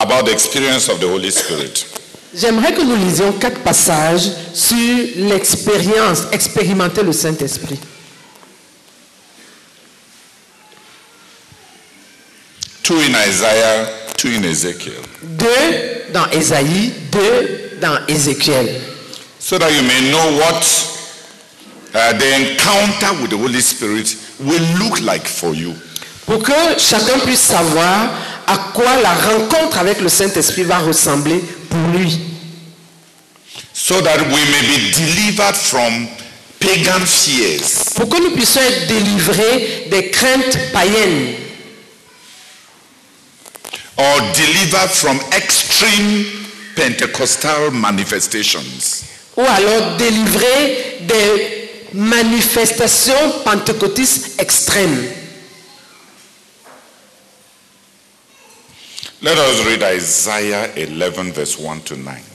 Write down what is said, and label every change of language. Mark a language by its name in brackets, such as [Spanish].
[English] about the experience of the Holy Spirit. [French] J'aimerais que nous lisions quatre passages sur l'expérience, expérimenter le Saint-Esprit. [English] Two in Isaiah, two in Ezekiel. [French] Deux dans Ésaïe, deux dans Ézéchiel. [English] So that you may know what the encounter with the Holy Spirit will look like for you. [French] Pour que chacun puisse savoir à quoi la rencontre avec le Saint-Esprit va ressembler pour lui. [English] So that we may be delivered from pagan fears. [French] Pour que nous puissions être délivrés des craintes païennes. [English] Or delivered from extreme Pentecostal manifestations. [French] Ou alors délivrés des manifestations pentecôtistes extrêmes. [English] Let us read Isaiah 11, verse 1 to 9.